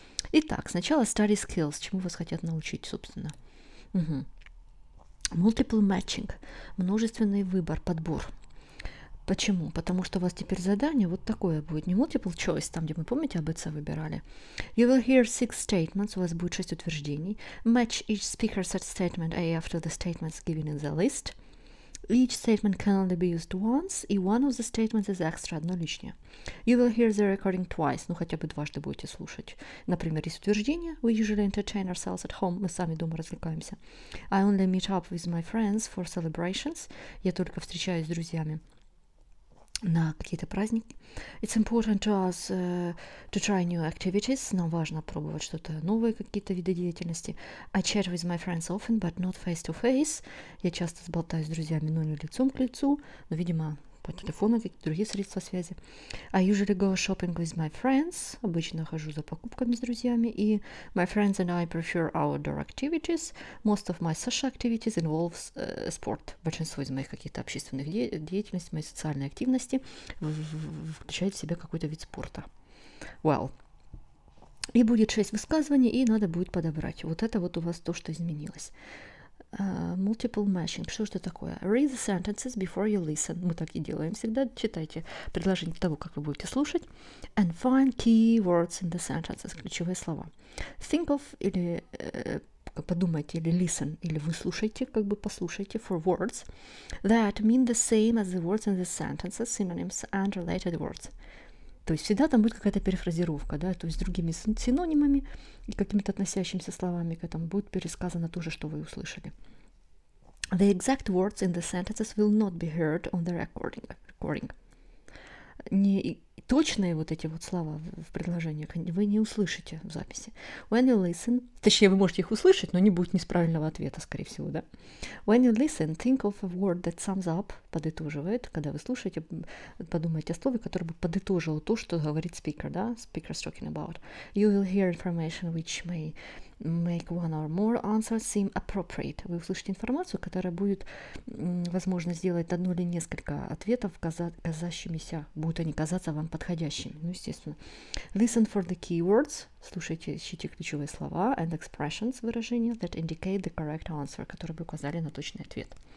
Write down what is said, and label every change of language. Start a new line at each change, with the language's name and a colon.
Russian: Итак, сначала study skills, чему вас хотят научить, собственно. Угу. Multiple matching, множественный выбор, подбор. Почему? Потому что у вас теперь задание вот такое будет, не multiple choice, там, где мы, помните, АБЦ выбирали.
English: You will hear six statements,
Russian: у вас будет шесть утверждений.
English: Match each speaker's statement A after the statements given in the list. Each statement can only be used once, и one of the statements is extra,
Russian: одно лишнее.
English: You will hear the recording twice,
Russian: ну хотя бы дважды будете слушать. Например, есть утверждение,
English: we usually entertain ourselves at home,
Russian: мы сами дома развлекаемся.
English: I only meet up with my friends for celebrations,
Russian: я только встречаюсь с друзьями на какие-то праздники.
English: It's important to us to try new activities,
Russian: нам важно пробовать что-то новое, какие-то виды деятельности.
English: I chat with my friends often, but not face to face.
Russian: Я часто сболтаюсь с друзьями, но не лицом к лицу, но, видимо, по телефону, какие-то другие средства связи.
English: I usually go shopping with my friends,
Russian: обычно хожу за покупками с друзьями.
English: И my friends and I prefer outdoor activities. Most of my social activities involve sport.
Russian: Большинство из моих каких-то общественных деятельностей, моей социальной активности включает в себя какой-то вид спорта.
English: Well.
Russian: И будет 6 высказываний, и надо будет подобрать. Вот это вот у вас то, что изменилось.
English: Multiple matching.
Russian: Что же это такое?
English: Read the sentences before you listen.
Russian: Мы так и делаем всегда. Читайте предложение того, как вы будете слушать.
English: And find key words in the sentences.
Russian: Ключевые слова.
English: Think of
Russian: или подумайте, или
English: listen,
Russian: или выслушайте, как бы послушайте,
English: for words that mean the same as the words in the sentences, synonyms and related words.
Russian: То есть всегда там будет какая-то перефразировка, да, то есть другими синонимами и какими-то относящимися словами к этому будет пересказано то же, что вы услышали.
English: The exact words in the sentences will not be heard on the recording.
Russian: Не точные вот эти вот слова в предложениях вы не услышите в записи.
English: When you listen,
Russian: точнее, вы можете их услышать, но не будет неправильного ответа, скорее всего, да?
English: When you listen, think of a word that sums up,
Russian: подытоживает. Когда вы слушаете, подумайте о слове, которое бы подытожило то, что говорит speaker, да?
English: Speaker's talking about. You will hear information which may make one or more answers seem appropriate.
Russian: Вы услышите информацию, которая будет, возможно, сделать одно или несколько ответов казащимися, будут они казаться вам подходящими, ну, естественно.
English: Listen for the keywords.
Russian: Слушайте, ищите ключевые слова
English: and expressions,
Russian: выражения,
English: that indicate the correct answer,
Russian: которые бы указали на точный ответ.